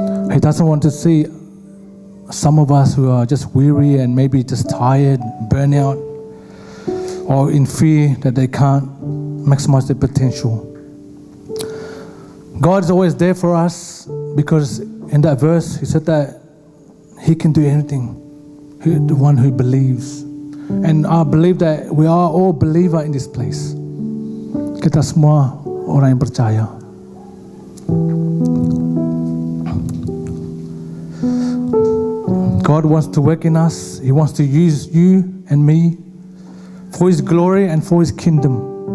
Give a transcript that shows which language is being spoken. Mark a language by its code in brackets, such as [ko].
[en] He doesn't want to see some of us who are just weary and maybe just tired, burnt out, or in fear that they can't maximize their potential. God's always there for us, because in that verse He said that He can do anything, the one who believes. And I believe that we are all believers in this place. [id] Kita semua orang yang percaya. [en] God wants to work in us. He wants to use you and me for His glory and for His kingdom.